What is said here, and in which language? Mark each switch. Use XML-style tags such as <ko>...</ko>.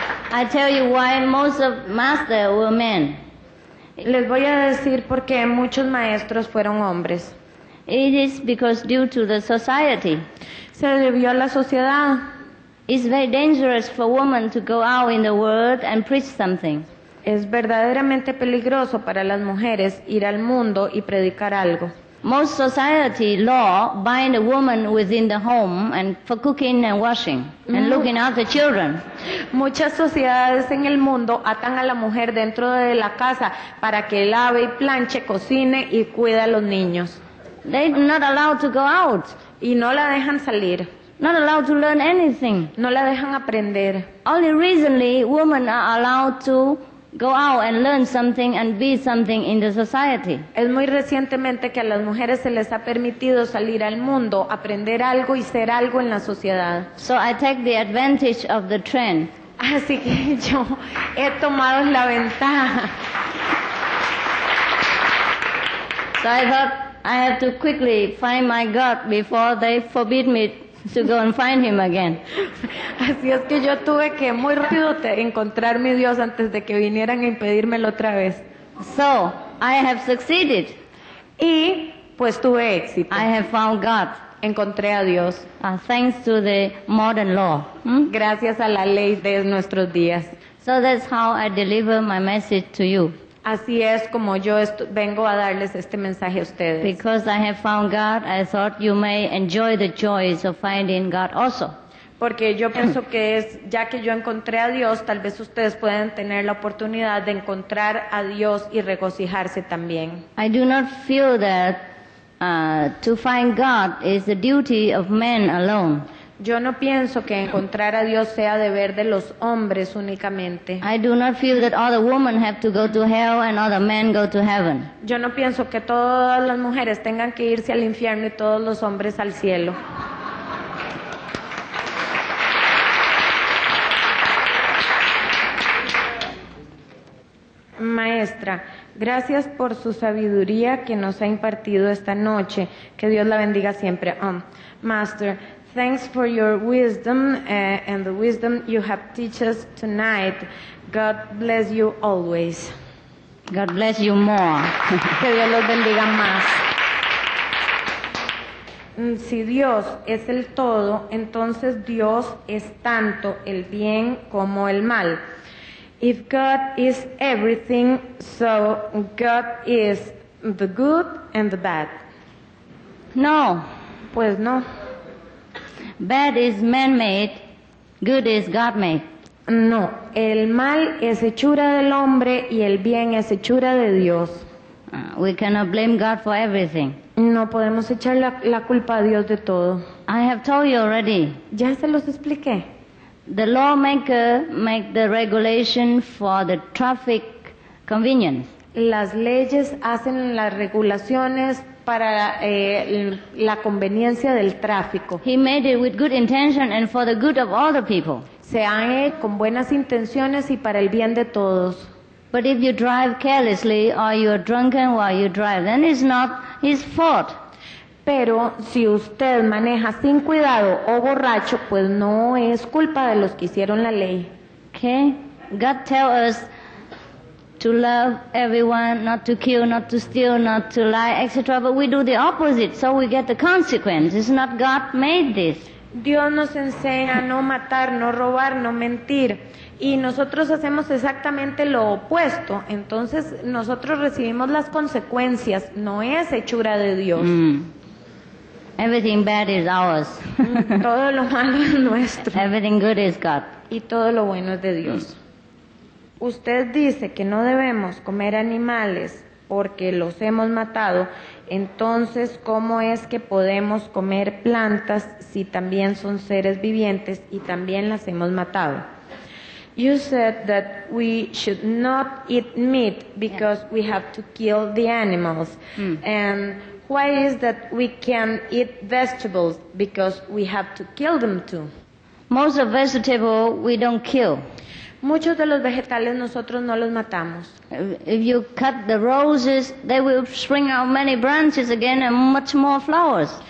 <en>I tell you why most of master were men.</en> <es>Les voy a decir por qué muchos maestros fueron hombres.</es> <en>It is because due to the society.</en> <es>Se debió a la sociedad.</es> <en>It's very dangerous for women to go out in the world and preach something.</en> <es>Es verdaderamente peligroso para las mujeres ir al mundo y predicar algo.</es> <en>Most society law bind a woman within the home and for cooking and washing and looking after children.</en> <es>Muchas sociedades en el mundo atan a la mujer dentro de la casa para que lave y planche, cocine y cuide a los niños.</es> <en>They're not allowed to go out.</en> <es>Y no la dejan salir.</es> <en>Not allowed to learn anything.</en> <es>No la dejan aprender.</es> <en>Only recently women are allowed to go out and learn something and be something in the society.</en> <es>Es muy recientemente que a las mujeres se les ha permitido salir al mundo, aprender algo y ser algo en la sociedad.</es> <en>So I take the advantage of the trend.</en> <es>Así que yo he tomado la ventaja.</es> <en>So I thought I have to quickly find my God before they forbid me to go and find him again.</en> <es>Así es que yo tuve que muy rápido encontrar mi Dios antes de que vinieran a impedírmelo otra vez.</es> <en>So, I have succeeded.</en> <es>Y pues tuve éxito.</es> <en>I have found God.</en> <es>Encontré a Dios.</es> <en>Thanks to the modern law.</en> <es>Gracias a la ley de nuestros días.</es> <en>So that's how I deliver my message to you.</en> <es>Así es como yo vengo a darles este mensaje a ustedes.</es> <en>Because I have found God, I thought you may enjoy the joys of finding God also.</en> <es>Porque yo pienso que es, ya que yo encontré a Dios, tal vez ustedes puedan tener la oportunidad de encontrar a Dios y regocijarse también.</es> <en>I do not feel that to find God is the duty of men alone.</en> <es>Yo no pienso que encontrar a Dios sea deber de los hombres únicamente.</es> <en>I do not feel that all the women have to go to hell and all the men go to heaven.</en> <es>Yo no pienso que todas las mujeres tengan que irse al infierno y todos los hombres al cielo. Maestra, gracias por su sabiduría que nos ha impartido esta noche. Que Dios la bendiga siempre.</es> <en>Master, thanks for your wisdom and the wisdom you have teach us tonight. God bless you always. God bless you more.</en> <es>Que Dios los bendiga más. Si Dios es el todo, entonces Dios es tanto el bien como el mal.</es> <en>If God is everything, so God is the good and the bad. No.</en> <es>Pues no.</es> <en>Bad is man-made, good is God-made.</en> <es>No, el mal es hechura del hombre y el bien es hechura de Dios.</es> <en>We cannot blame God for everything.</en> <es>No podemos echar la culpa a Dios de todo.</es> <en>I have told you already.</en> <es>Ya se los expliqué.</es> <en>The lawmaker make the regulation for the traffic convenience.</en> <es>Las leyes hacen las regulaciones para la conveniencia del tráfico.</es> <en>He made it with good intention and for the good of all the people.</en> <es>Se han hecho con buenas intenciones y para el bien de todos.</es> <en>But if you drive carelessly or you are drunken while you drive, then it's not his fault.</en> <es>Pero si usted maneja sin cuidado o borracho, pues no es culpa de los que hicieron la ley.</es> <en>Okay? God tells us to love everyone, not to kill, not to steal, not to lie, etc. But we do the opposite, so we get the consequence. It's not God made this.</en> <es>Dios nos enseña no matar, no robar, no mentir. Y nosotros hacemos exactamente lo opuesto. Entonces, nosotros recibimos las consecuencias. No es hechura de Dios.</es> <en>Everything bad is ours.</en> <es>Todo lo malo es nuestro.</es> <en>Everything good is God.</en> <es>Y todo lo bueno es de Dios. Usted dice que no debemos comer animales porque los hemos matado, entonces, ¿cómo es que podemos comer plantas si también son seres vivientes y también las hemos matado?</es> <en>You said that we should not eat meat because we have to kill the animals. And why is that we can eat vegetables because we have to kill them too? Most of vegetables we don't kill.</en> <es>Muchos de los vegetales nosotros no los matamos.</es> <en>If you cut the roses, they will spring out many branches again and much more flowers.</en>